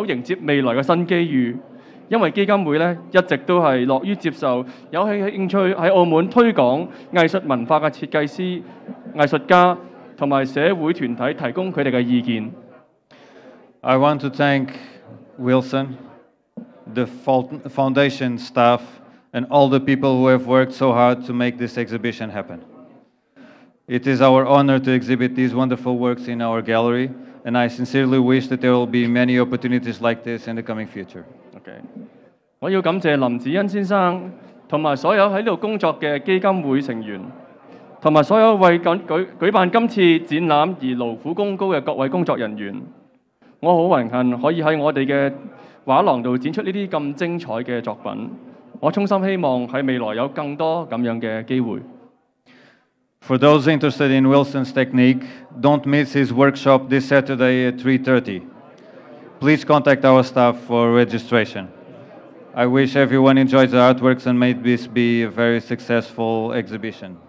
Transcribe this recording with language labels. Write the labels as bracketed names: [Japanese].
[Cantonese] 隨著澳門終於戰勝了疫情，我哋正係面對一個進步同埋挑戰嘅新時代。我衷心希望大家可以攜手迎接未來嘅新機遇。因為基金會一直都樂於接受有興趣在澳門推廣藝術文化的設計師、藝術家和社會團體提供他們的意見。 [English] I want to thank Wilson, the foundation staff, and all the people who have worked so hard to make this exhibition happen. It is our honor to exhibit these wonderful works in our gallery, and I sincerely wish that there will be many opportunities like this in the coming future. Okay. [Cantonese] 我要感謝林子恩先生同埋所有喺呢度工作嘅基金會成員。同埋所有為舉辦今次展覽而勞苦功高嘅各位工作人員。我好榮幸可以喺我哋嘅畫廊度展出呢啲咁精彩嘅作品。我衷心希望喺未來有更多咁樣嘅機會。 [English] For those interested in Wilson's technique, don't miss his workshop this Saturday at 3:30. Please contact our staff for registration. I wish everyone enjoys the artworks and may this be a very successful exhibition.